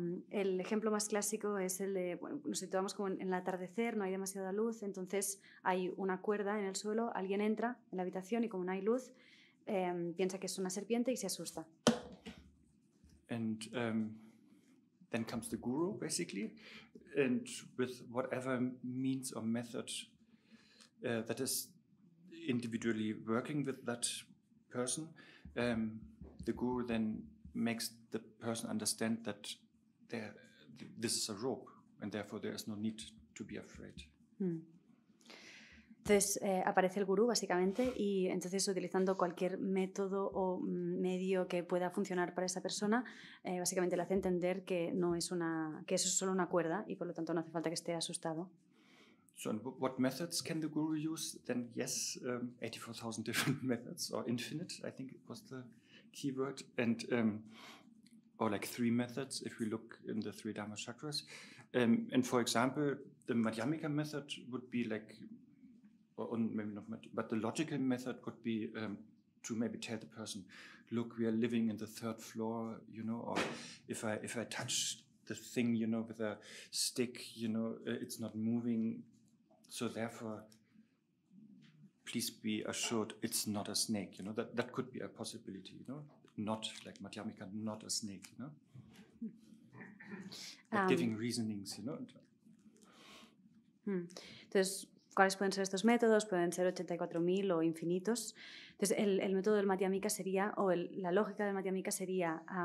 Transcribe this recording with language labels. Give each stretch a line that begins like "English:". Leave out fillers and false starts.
Spanish: El ejemplo más clásico es el de, bueno, nos situamos como en el atardecer, no hay demasiada luz, entonces hay una cuerda en el suelo, alguien entra en la habitación y como no hay luz, piensa que es una serpiente y se asusta.
English: And then comes the guru, basically. And with whatever means or method that is individually working with that person, the guru then makes the person understand that this is a rope and therefore there is no need to be afraid. Mm.
Spanish: Entonces aparece el gurú básicamente y entonces utilizando cualquier método o medio que pueda funcionar para esa persona, básicamente le hace entender que no es una, que eso es solo una cuerda y por lo tanto no hace falta que esté asustado.
English: So what methods can the guru use? Then yes, 84,000 different methods or infinite, I think it was the keyword, and or like three methods if we look in the three dharma chakras. And for example, the Madhyamika method would be like but the logical method could be to maybe tell the person, look, we are living in the third floor, you know, or if I touch the thing, you know, with a stick, you know, it's not moving. So therefore, please be assured it's not a snake, you know, that could be a possibility, you know, not like Madhyamika, not a snake, you know, like giving reasonings, you know.
Spanish: ¿Cuáles pueden ser estos métodos? Pueden ser 84.000 o infinitos. Entonces, el método del Madhyamika sería, o la lógica del Madhyamika sería